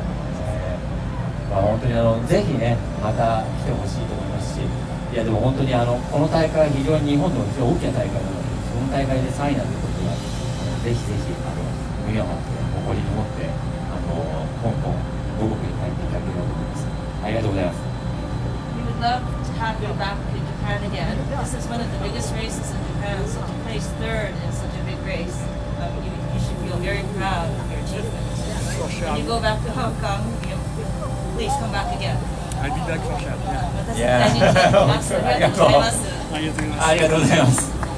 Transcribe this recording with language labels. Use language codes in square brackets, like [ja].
[ja] と思います。まあ、本当にあの、ぜひね、また来てほしいと思いますし、いやでも本当にあの、この大会、非常に日本でも非常に大きな大会なので、この大会で3位なんてことは、ぜひぜひ、あの、胸を張って、誇りに持って、あの、香港、母国に帰っていただければと思います。ありがとうございます。 [en] We would love to have you back in Japan again. This is one of the biggest races in Japan, so to place third in such a big race, you should feel very proud of your achievement. For sure. When you go back to Hong Kong, please come back again. I'll be back for sure. Yeah. Yeah. [ja] ありがとうございます。ありがとうございます。